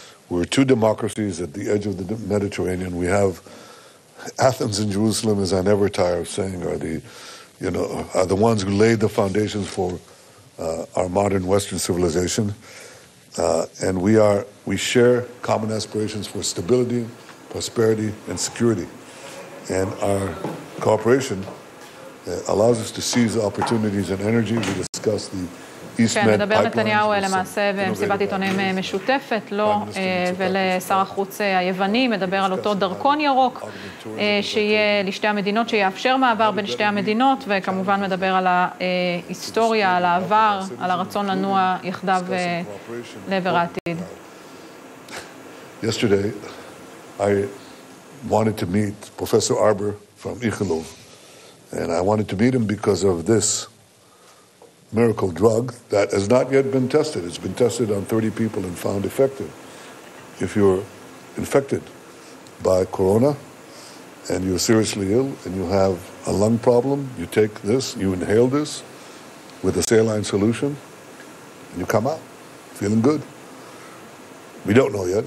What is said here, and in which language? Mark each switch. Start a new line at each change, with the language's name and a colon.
English: We're two democracies at the edge of the Mediterranean. We have Athens and Jerusalem, as I never tire of saying, are the ones who laid the foundations for our modern Western civilization. And we share common aspirations for stability, prosperity and security, and our cooperation allows us to seize opportunities and energy. We discuss the
Hebrew: כן, נדבר נתניהו למעשה במסיבת עיתונים משותפת, לא, ולשר החוץ היווני מדבר על אותו דרכון ירוק שיהיה לשתי המדינות, שיאפשר מעבר בין שתי המדינות, וכמובן מדבר על ההיסטוריה, על העבר, על הרצון לנוע יחדיו לעבר העתיד.
English: Yesterday, I wanted to meet Professor Arbor from Ichilov, and I wanted to meet him because of this miracle drug that has not yet been tested. It's been tested on 30 people and found effective. If you're infected by corona and you're seriously ill and you have a lung problem, you take this, you inhale this with a saline solution, and you come out feeling good. We don't know yet.